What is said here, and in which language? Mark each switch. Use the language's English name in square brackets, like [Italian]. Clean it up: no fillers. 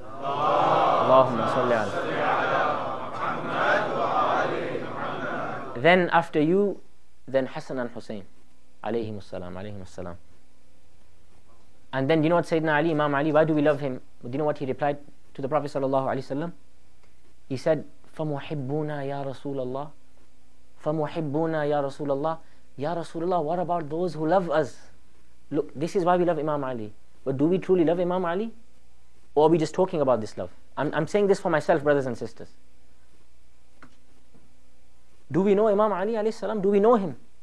[Arabic] Allahumma salli ala Muhammad wa Ali Muhammad. [English] Then after you, then Hassan and Hussein alayhimus salam, alayhimus salam. And then, do you know what Sayyidina Ali, Imam Ali, why do we love him? Do you know what he replied to the Prophet sallallahu alayhi wa sallam? He said, [Arabic] فَمُحِبُّونَا يَا رَسُولَ اللَّهِ فَمُحِبُّونَا يَا رَسُولَ اللَّهِ يَا رَسُولَ اللَّهِ. [English] What about those who love us? Look, this is why we love Imam Ali. But do we truly love Imam Ali? Or are we just talking about this love? I'm saying this for myself, brothers and sisters. Do we know Imam Ali alayhi salam? Do we know him?